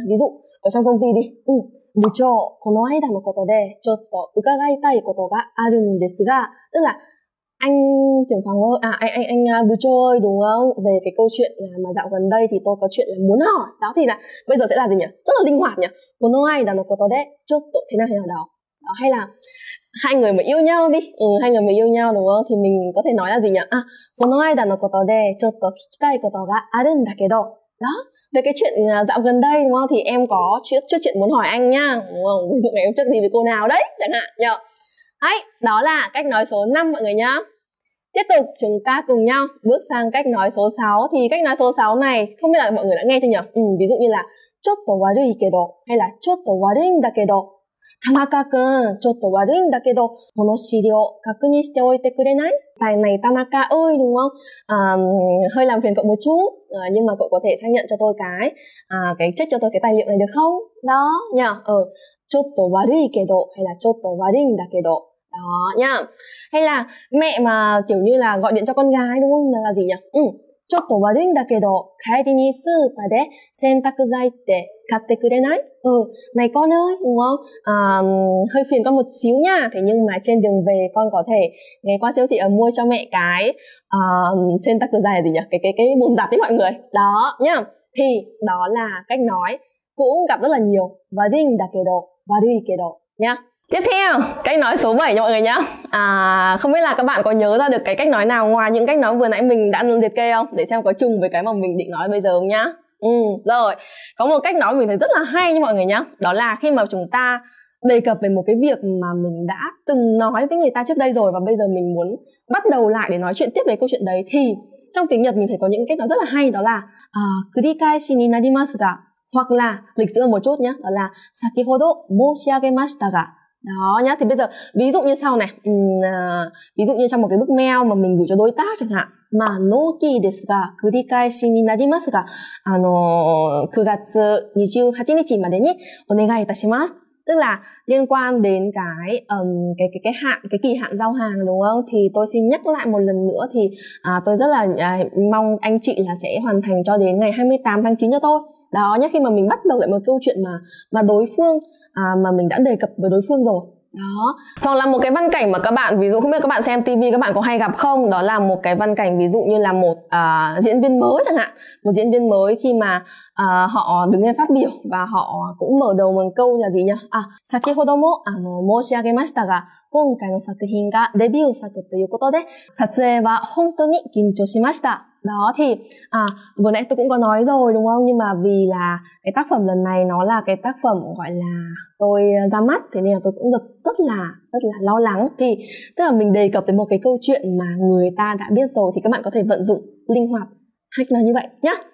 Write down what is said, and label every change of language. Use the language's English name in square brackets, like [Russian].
[Vietnamese] Ví dụ, ở trong công ty đi. Bộ trưởng, [Japanese] この間のことでちょっと伺いたいことがあるんですが, [Vietnamese] tức là anh trưởng phòng ơi, anh bộ trưởng ơi đúng không? Về cái câu chuyện mà dạo gần đây thì tôi có chuyện là muốn hỏi. Đó thì là bây giờ sẽ là gì nhỉ? Rất là linh hoạt nhỉ. [Japanese] この間のことでちょっと [Vietnamese] thế nào thế nào đó. Đó, hay là hai người mà yêu nhau đi. Ừ, hai người mà yêu nhau đúng không? Thì mình có thể nói là gì nhỉ? [Japanese] À, この間のことでちょっと聞きたいことがあるんだけど. [Vietnamese] Đó, về cái chuyện dạo gần đây đúng không? Thì em có trước chuyện muốn hỏi anh nha. Đúng không? Ví dụ ngày em trước gì với cô nào đấy chẳng hạn nhỉ? Đấy, đó là cách nói số 5 mọi người nhá. Tiếp tục chúng ta cùng nhau bước sang cách nói số 6. Thì cách nói số 6 này không biết là mọi người đã nghe chưa nhỉ? Ừ, ví dụ như là [Japanese] ちょっと悪いけど [Vietnamese] hay là [Japanese] ちょっと悪いんだけど田中くん、ちょっと悪いんだけど、この資料確認しておいてくれない? [Vietnamese] Tại này田中ơi, đúng không? Hơi làm phiền cậu một chút, nhưng mà cậu có thể xác nhận cho tôi cái check cho tôi cái tài liệu này được không? Đó, nhờ. Ừ. [Japanese] ちょっと悪いけど, hay là ちょっと悪いんだけど. [Vietnamese] Đó, nhờ. Hay là mẹ mà kiểu như là gọi điện cho con gái, đúng không? Là gì nhờ? Ừ. [Japanese] ちょっと悪いんだけど、帰りにスーパーで洗濯剤って買ってくれない? [Vietnamese] Ừ, này con ơi, đúng không? Hơi phiền con một xíu nha. Thế nhưng mà trên đường về con có thể ghé qua siêu thị mua cho mẹ cái xin tắc dài gì nhỉ? Cái bột giặt ấy mọi người. Đó, nhá. Thì đó là cách nói cũng gặp rất là nhiều. Và đi đà kê độ, và đi kê độ, nhá. Tiếp theo, cách nói số 7 nha mọi người nhá. Không biết là các bạn có nhớ ra được cái cách nói nào ngoài những cách nói vừa nãy mình đã liệt kê không? Để xem có trùng với cái mà mình định nói bây giờ không nhá. Ừ, rồi, có một cách nói mình thấy rất là hay nha mọi người nhá. Đó là khi mà chúng ta đề cập về một cái việc mà mình đã từng nói với người ta trước đây rồi, và bây giờ mình muốn bắt đầu lại để nói chuyện tiếp về câu chuyện đấy, thì trong tiếng Nhật mình thấy có những cách nói rất là hay. Đó là [Japanese] 繰り返しになりますが, [Vietnamese] hoặc là lịch sử một chút nhá. Đó là [Japanese] 先ほど申し上げましたが. [Vietnamese] Đó nhá, thì bây giờ ví dụ như sau này, ví dụ như trong một cái bức mail mà mình gửi cho đối tác chẳng hạn, mà nô kỳ [Japanese] ですが繰り返しになりますが9月28日までにお願いいたします。 [Vietnamese] Tức là liên quan đến cái kỳ hạn giao hàng đúng không, thì tôi xin nhắc lại một lần nữa, thì tôi rất là mong anh chị là sẽ hoàn thành cho đến ngày 28 tháng 9 cho tôi. Đó nhá, khi mà mình bắt đầu lại một câu chuyện mà đối phương mà mình đã đề cập với đối phương rồi. Đó, hoặc là một cái văn cảnh mà các bạn, ví dụ không biết các bạn xem TV các bạn có hay gặp không, đó là một cái văn cảnh ví dụ như là một diễn viên mới chẳng hạn, một diễn viên mới khi mà họ đứng lên phát biểu và họ cũng mở đầu bằng câu là gì nhỉ? [Japanese] À, 先ほども申し上げましたが今回の作品がデビュー作ということで撮影は本当に緊張しました。 [Vietnamese] Đó thì vừa nãy tôi cũng có nói rồi đúng không, nhưng mà vì là cái tác phẩm lần này nó là cái tác phẩm gọi là tôi ra mắt, thế nên là tôi cũng rất là lo lắng. Thì tức là mình đề cập tới một cái câu chuyện mà người ta đã biết rồi, thì các bạn có thể vận dụng linh hoạt hay nói như vậy nhá.